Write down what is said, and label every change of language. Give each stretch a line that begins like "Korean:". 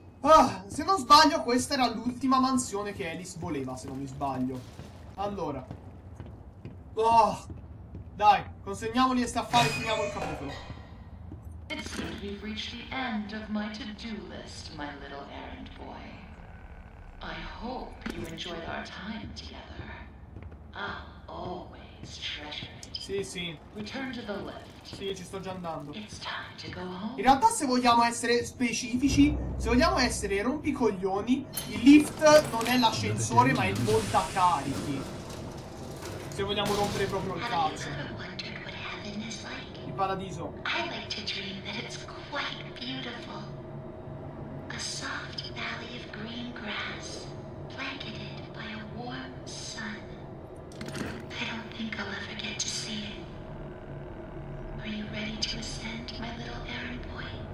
Italian: Ah, se non sbaglio, questa era l'ultima mansione che Alice voleva, se non mi sbaglio. Allora. Oh, dai, consegniamoli a staffare e finiamo il capitolo.
English: It seems we've reached the end of my to-do list, my little errand boy. I hope you enjoyed our time together. I'll always treasure.
Italian: Sì, sì.
English: Return to the lift.
Italian: Sì, ci sto già andando.
English: It's time to go home.
Italian: In realtà, se vogliamo essere specifici, se vogliamo essere rompicoglioni, il lift non è l'ascensore, ma è il montacarichi. Se vogliamo rompere proprio il cazzo. Il paradiso.
English: I like to dream that it's quite beautiful. A soft valley of green grass, blanketed by a warm sun. I don't think I'll ever get to see it. Are you ready to ascend, my little errand boy?